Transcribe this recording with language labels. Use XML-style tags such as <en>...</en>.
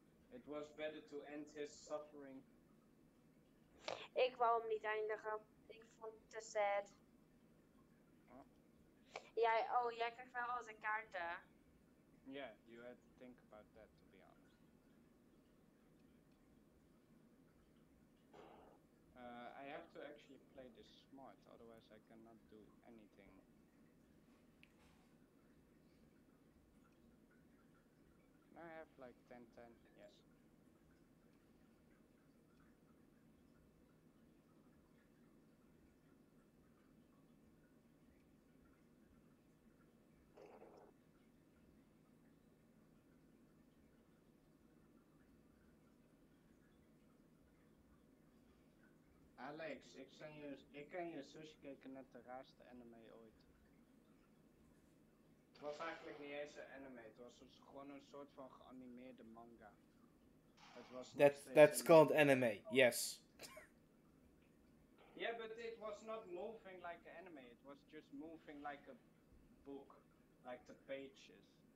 <en>It was better to end his suffering.</en> <nl>Ik wou hem niet eindigen. Ik vond het te sad. Jij krijgt wel al zijn kaarten.</nl> <en>Yeah, you had to think about that, to be honest. I have to actually play this smart, otherwise I cannot do anything. Can I have like 10-10? Yes.</en> <nl>Alex, ik ken je sushi cake net de raarste anime ooit. Het was eigenlijk niet eens een anime, het was gewoon een soort van geanimeerde manga. Het was</nl> <en>that's called anime, yes. Yeah, but it was not moving like an anime, it was just moving like a book, like the pages.</en>